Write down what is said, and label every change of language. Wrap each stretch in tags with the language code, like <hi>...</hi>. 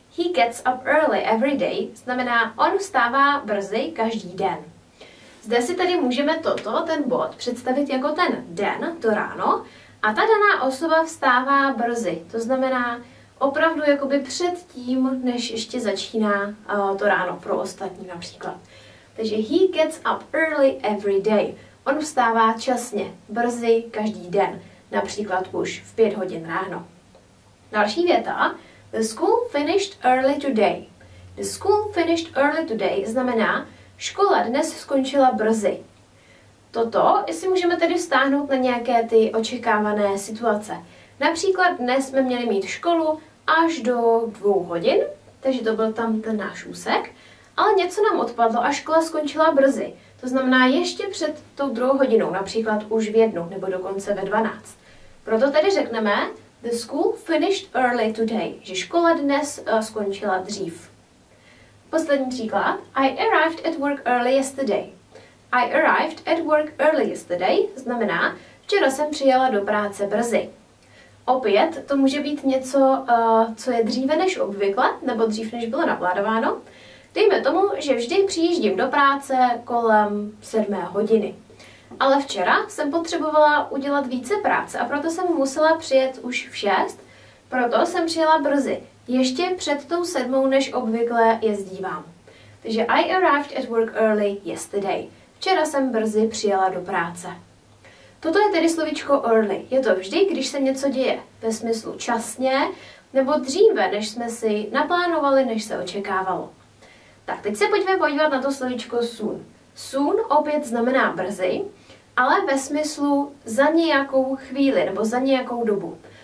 <en>He gets up early every day</en> <cs>znamená on vstává brzy každý den. Zde si tady můžeme toto, ten bod, představit jako ten den, to ráno, a ta daná osoba vstává brzy. To znamená opravdu jakoby před tím, než ještě začíná to ráno pro ostatní například. Takže</cs> <en>he gets up early every day.</en> <cs>On vstává časně, brzy každý den, například už v 5 hodin ráno. Další věta.</cs> <en>The school finished early today. The school finished early today</en> <cs>znamená škola dnes skončila brzy. Toto si můžeme tedy vztáhnout na nějaké ty očekávané situace. Například dnes jsme měli mít školu až do 2 hodin, takže to byl tam ten náš úsek, ale něco nám odpadlo a škola skončila brzy. To znamená ještě před tou 2 hodinou, například už v 1 nebo dokonce ve 12. Proto tedy řekneme</cs> <en>the school finished early today,</en> <cs>že škola dnes skončila dřív. Poslední příklad.</cs> <en>I arrived at work early yesterday. I arrived at work early yesterday</en> <cs>znamená, včera jsem přijela do práce brzy. Opět to může být něco, co je dříve než obvykle, nebo dřív než bylo naplánováno. Dejme tomu, že vždy přijíždím do práce kolem 7 hodiny. Ale včera jsem potřebovala udělat více práce a proto jsem musela přijet už v 6, proto jsem přijela brzy. Ještě před tou 7, než obvykle jezdívám. Takže</cs> <en>I arrived at work early yesterday.</en> <cs>Včera jsem brzy přijela do práce. Toto je tedy slovíčko early. Je to vždy, když se něco děje. Ve smyslu časně, nebo dříve, než jsme si naplánovali, než se očekávalo. Tak, teď se pojďme podívat na to slovíčko soon. Soon opět znamená brzy, ale ve smyslu za nějakou chvíli, nebo za nějakou dobu.</cs>